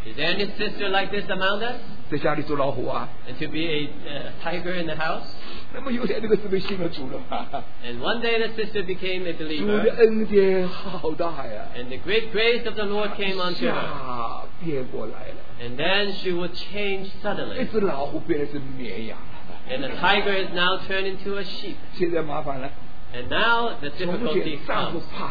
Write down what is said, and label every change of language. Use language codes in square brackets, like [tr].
[en] Is there any sister like this among us? [zh] 在家里做老虎啊? [en] And to be a tiger in the house? [zh] 那么有点那个姊妹信了主了吗? [en] And one day the sister became a believer. [zh] 主的恩典好大呀, [en] and the great grace of the Lord came unto her. [zh] 变过来了, [en] and then she would change suddenly. [zh] 一只老虎变成绵羊, [en] and the tiger is now turned into a sheep. And now the difficulty comes.